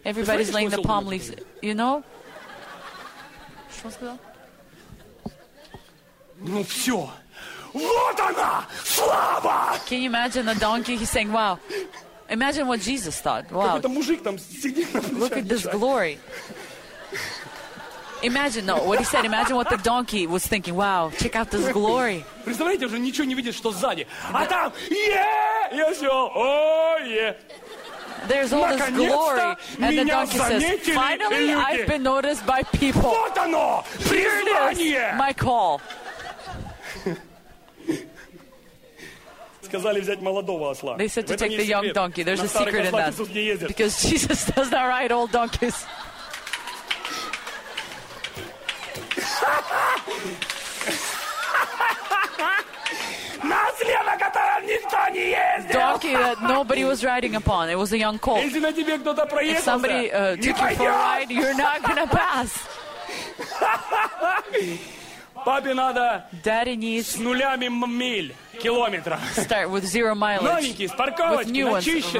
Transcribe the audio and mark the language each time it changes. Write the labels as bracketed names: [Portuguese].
[English] Everybody's laying the palm leaves. You know? [Russian] Что он сказал? Ну все. Вот она! Слава! [English] Can you imagine the donkey? He's saying, wow. Imagine what Jesus thought. Wow. [Russian] Какой-то мужик там сидит. [English] Look at this glory. Imagine, no, what he said, imagine what the donkey was thinking. Wow, check out this glory. [Russian] Представляете, уже ничего не видит, что сзади. А там, yeah, я все, oh, yeah. [English] There's all this glory, and the donkey says, finally, I've been noticed by people. [Russian] Вот оно, призвание. [English] My call. [Russian] Сказали взять молодого осла. [English] They said to take the young donkey. There's a secret in that. Because Jesus does not ride old donkeys. [Russian] На осле, на котором никто не ездил. [English] Donkey that nobody was riding upon. It was a young colt. [Russian] Если на тебе кто-то проехал, [English] if somebody took you for a ride, you're not gonna pass. [Russian] Папе надо. [English] Daddy needs. [Russian] С нулями миль, километра. [English] Start with zero mileage. [Russian] Новенький, с парковочки, начищенный.